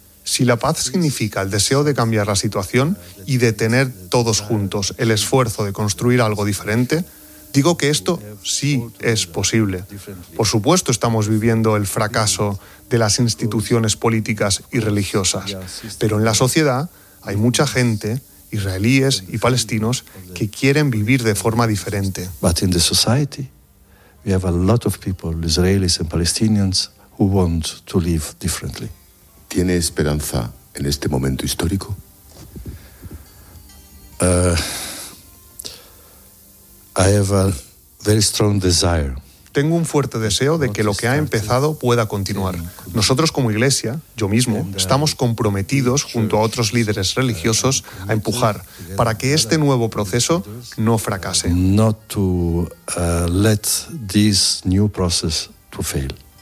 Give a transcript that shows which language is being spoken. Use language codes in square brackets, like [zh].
[es] Si la paz significa el deseo de cambiar la situación y de tener todos juntos el esfuerzo de construir algo diferente, digo que esto sí es posible. Por supuesto, estamos viviendo el fracaso de las instituciones políticas y religiosas, pero en la sociedad hay mucha gente, israelíes y palestinos, que quieren vivir de forma diferente. [en] But in the society, we have a lot of people, Israelis and Palestinians, who want to live differently. [es] ¿Tiene esperanza en este momento histórico? [en] I have a very strong desire. [es] Tengo un fuerte deseo de que lo que ha empezado pueda continuar. Nosotros como iglesia, yo mismo, estamos comprometidos junto a otros líderes religiosos a empujar para que este nuevo proceso no fracase. [en] Not to let this new process to fail.